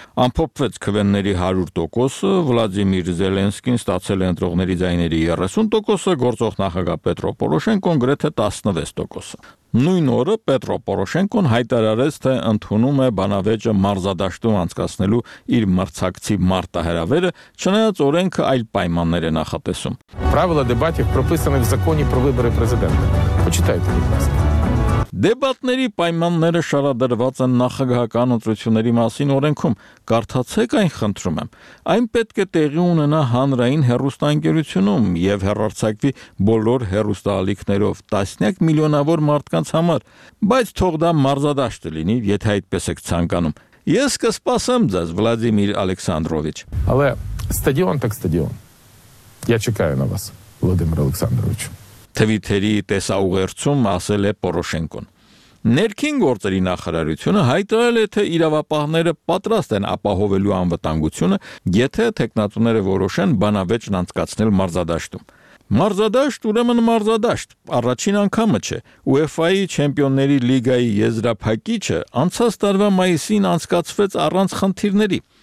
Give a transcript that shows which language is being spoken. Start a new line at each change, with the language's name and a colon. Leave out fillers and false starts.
Armenian: ամփոփվեց քվենների 100%-ը, Վլադիմիր Զելենսկին ստացել է ընտրողների ձայների 30%-ը, գործող նախագահ Պետրո Պորոշենկոն գրեթե 16%-ը։ Նույն օրը Պետրո Պորոշենկոն հայտարարեց, թե ընդունում է բանավեճը մարզադաշտում անցկացնելու իր մրցակցի մարտահրավերը, չնայած օրենքը այլ պայմաններ է նախատեսում։
Ukrainian: Правила дебатів прописані в законі про вибори президента. Почитайте, будь ласка.
Armenian: Դեպատների պայմանները շարադրված են նախագահական ընտրությունների մասին օրենքում։ Կարդացեք այն, խնդրում եմ։ Այն պետք է տեղի ունենա հանրային հեռուստաընկերությունում և հեռարձակվի բոլոր հեռուստաալիքներով տասնյակ միլիոնավոր մարդկանց համար, բայց թող դա մարզադաշտ լինի, եթե այդպես եք ցանկանում։ Ես կսպասեմ ձեզ, Վլադիմիր Ալեքսանդրովիչ։
Ukrainian: Але стадіон так стадіон. Я чекаю на вас, Володимир Олександрович.
Armenian: Թվիտերի տեսաուղերձում ասել է Պորոշենկոն. Ներքին գործերի նախարարությունը հայտարարել է, թե իրավապահները պատրաստ են ապահովելու անվտանգությունը, եթե թեկնածուները որոշեն բանավեճն անցկացնել մարզադաշտում։ Մարզադաշտ ուրեմն մարզադաշտ, առաջին անգամը չէ։ UEFA-ի Չեմպիոնների լիգայի եզրափակիչը անցած տարվա մայիսին անցկացվեց առանց խնդիրների։